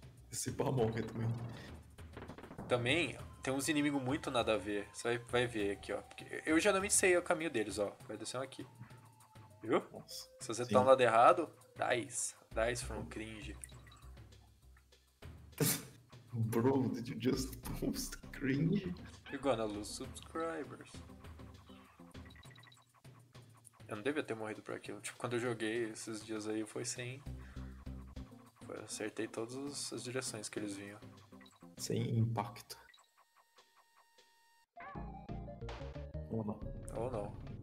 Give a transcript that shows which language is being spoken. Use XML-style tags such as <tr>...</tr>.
<pt>Esse pá morre também. Também tem uns inimigos muito nada a ver. Você vai ver aqui, ó. Eu geralmente sei o caminho deles, ó. Vai descer aqui. Viu? Nossa, se você tá no lado errado,</pt> <en>dice from cringe. Bro, did you just post cringe? You're gonna lose subscribers.</en> <pt>Eu não devia ter morrido por aquilo. Tipo, quando eu joguei esses dias aí, foi sem. Eu acertei todas as direções que eles vinham. Sem impacto. Ou não. Ou não.</pt>